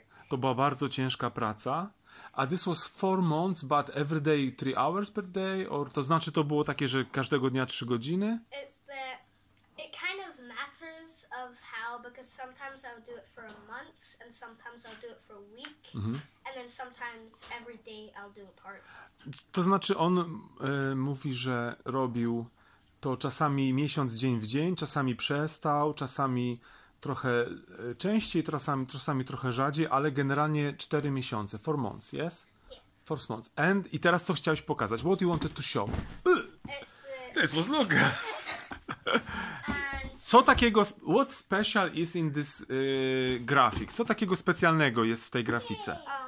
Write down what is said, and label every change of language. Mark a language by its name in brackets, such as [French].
[Polish] To była bardzo ciężka praca. [English] A this was 4 months, but every day 3 hours per day? [Polish] Or to znaczy, to było takie, że każdego dnia 3 godziny? [English] It kind of matters of how, because sometimes I'll do it for a month, and sometimes I'll do it for a week, and then sometimes every day I'll do a part. [Polish] To znaczy, on mówi, że robił to czasami miesiąc, dzień w dzień, czasami przestał, czasami trochę częściej, czasami trochę rzadziej, ale generalnie 4 miesiące. [English] 4 months, yes? Yeah. 4 months. [Polish] And i teraz co chciałeś pokazać? [English] What you wanted to show? This was look. [Polish] Co takiego, [English] what special is in this graphic? [Polish] Co takiego specjalnego jest w tej grafice?